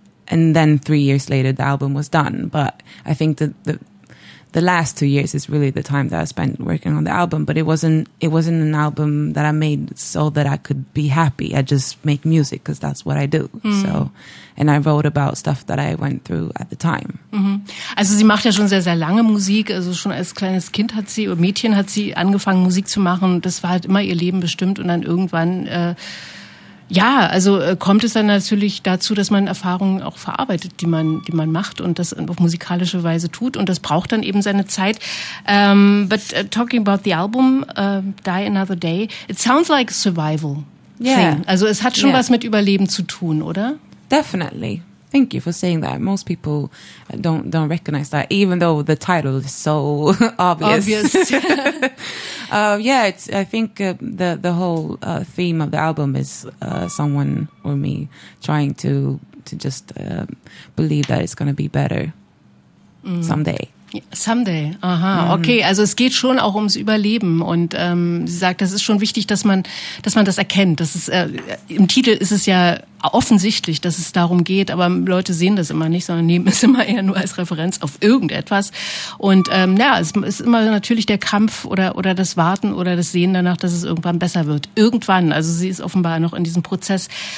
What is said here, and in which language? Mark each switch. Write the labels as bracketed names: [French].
[English] And then 3 years later, the album was done. But I think that the last 2 years is really the time that I spent working on the album. But it wasn't an album that I made so that I could be happy. I just make music because that's what I do. Mm. So, and I wrote about stuff that I went through at the time. Mm-hmm. [German] Also sie macht ja schon sehr, sehr lange Musik. Also schon als kleines Kind hat sie angefangen, Musik zu machen. Das war halt immer ihr Leben bestimmt. Und dann irgendwann... kommt es dann natürlich dazu, dass man Erfahrungen auch verarbeitet, die man macht und das auf musikalische Weise tut. Und das braucht dann eben seine Zeit. [English] Talking about the album, Die Another Day, it sounds like a survival thing. [German] Also es hat schon was mit Überleben zu tun, oder? [English] Definitely. Thank you for saying that. Most people don't recognize that, even though the title is so obvious. I think the whole theme of the album is someone or me trying to just believe that it's going to be better someday. [German] Someday, aha, okay, also es geht schon auch ums Überleben und sie sagt, das ist schon wichtig, dass man das erkennt, das ist, im Titel ist es ja offensichtlich, dass es darum geht, aber Leute sehen das immer nicht, sondern nehmen es immer eher nur als Referenz auf irgendetwas und es ist immer natürlich der Kampf oder das Warten oder das Sehen danach, dass es irgendwann besser wird, irgendwann, also sie ist offenbar noch in diesem Prozess.